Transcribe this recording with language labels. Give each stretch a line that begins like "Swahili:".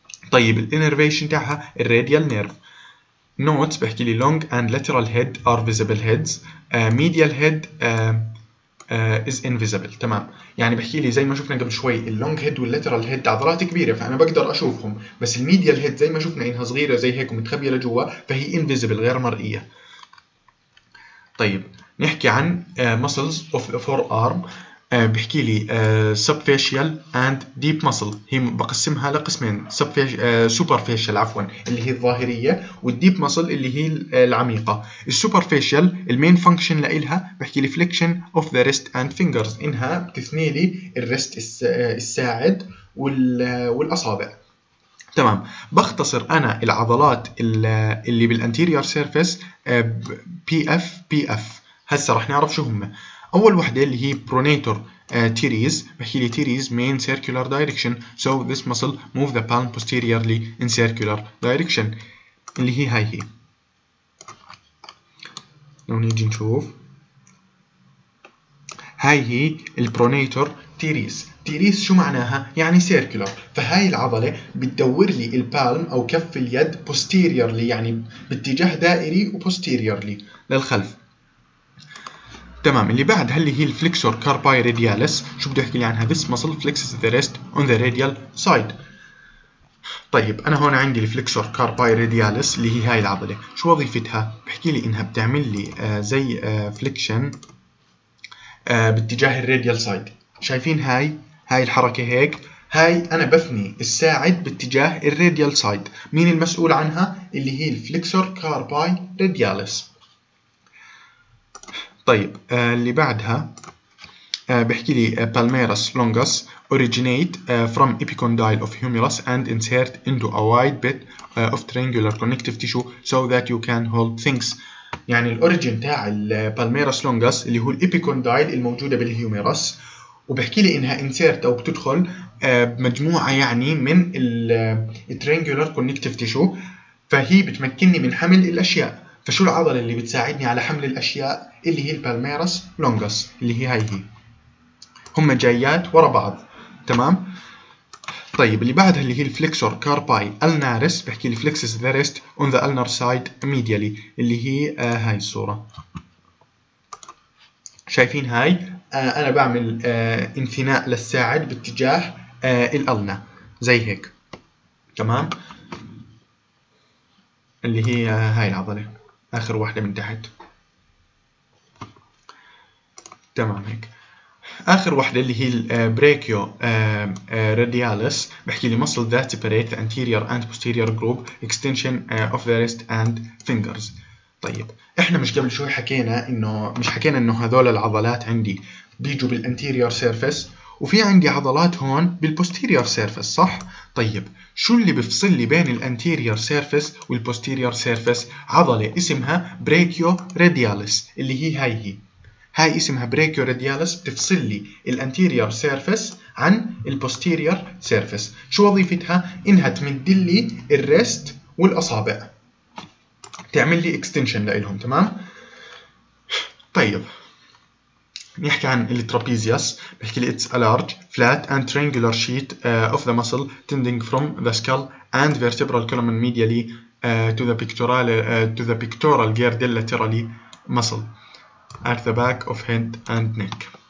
English: طيب الانرفيشن تاعها الراديال نيرف. نوت
Arabic: بحكي لي
English: Long and lateral head are visible heads, medial head is invisible.
Arabic: تمام، يعني بحكي لي زي ما شفنا قبل شوي اللونج هيد والليترال هيد عضلات كبيره فانا بقدر اشوفهم، بس الميديال هيد زي ما شفنا انها صغيره زي هيك ومتخبيه لجوا فهي invisible غير مرئيه.
English: طيب نحكي عن muscles of the forearm. بحكي لي subfacial and deep muscle.
Arabic: هي بقسمها لقسمين، superficial عفوا اللي هي الظاهرية، والdeep muscle اللي هي العميقة. superficial المين function لإلها بحكي لي
English: flexion of the wrist and fingers،
Arabic: إنها بتثني لي الريست الساعد والأصابع. تمام، بختصر أنا العضلات اللي بالanterior surface PF. هسا رح نعرف شو هم. أول واحدة اللي هي
English: pronator teres، بحكي لي teres main circular direction، so this muscle move the palm posteriorly in circular direction،
Arabic: اللي هي هاي هي. لو نيجي نشوف هاي هي pronator teres. teres شو معناها؟ يعني circular. فهاي العضلة بتدور لي البالم أو كف اليد posteriorly، يعني باتجاه دائري وposteriorly للخلف. تمام، اللي بعد هل هي الفليكسور كارباي رادياليس، شو بدي احكي لي عنها؟
English: This muscle flexes the wrist on the radial side.
Arabic: طيب انا هون عندي الفليكسور كارباي رادياليس اللي هي هاي العضلة، شو وظيفتها؟ بحكي لي انها بتعمل لي زي فليكشن باتجاه الراديال سايد. شايفين هاي؟ هاي الحركة هيك، هاي انا بثني الساعد باتجاه الراديال سايد. مين المسؤول عنها؟ اللي هي الفليكسور كارباي رادياليس. طيب اللي بعدها بحكي لي
English: palmaris longus originate from epicondyle of humerus and insert into a wide bit of triangular connective tissue so that you can hold things.
Arabic: يعني الاوريجين تاع palmaris longus اللي هو الابيكوندايل الموجوده بالهيوميرس، وبحكي لي انها insert او بتدخل بمجموعه يعني من التريانجولار كونكتيف تيشو، فهي بتمكنني من حمل الاشياء. فشو العضلة اللي بتساعدني على حمل الأشياء؟ اللي هي البالميرس لونجس اللي هي هاي هي، هم جايات ورا بعض. تمام، طيب اللي بعدها اللي هي الفليكسور كارباي ألنارس، بحكي
English: الفليكسس the wrist on the ulnar side medially,
Arabic: اللي هي هاي الصورة. شايفين هاي؟ أنا بعمل انثناء للساعد باتجاه الألنا زي هيك. تمام، اللي هي هاي العضلة آخر واحدة من تحت. تمام هيك، آخر واحدة اللي هي البريكيو رادياليس، بحكي لي
English: muscle that separate the anterior and posterior group extension of the wrist and fingers.
Arabic: طيب احنا مش قبل شوي حكينا انه هذول العضلات عندي بيجوا بالانتيريور سيرفيس، وفي عندي عضلات هون بالبوستيريور سيرفيس، صح؟ طيب شو اللي بيفصل لي بين الانتيريور سيرفيس والبوستيريور سيرفيس؟ عضلة اسمها بريكيو رادياليس اللي هي هاي هي. هاي اسمها بريكيو رادياليس، بتفصل لي الانتيريور سيرفيس عن البوستيريور سيرفيس. شو وظيفتها؟ انها تمد لي الريست والاصابع، تعمل لي اكستنشن لهم. تمام، طيب نحكي عن الترابيزياس، بحكي لي
English: it's a large, flat and triangular sheet of the muscle tending from the skull and vertebral column medially to the pectoral girdle laterally muscle at the back of head and neck.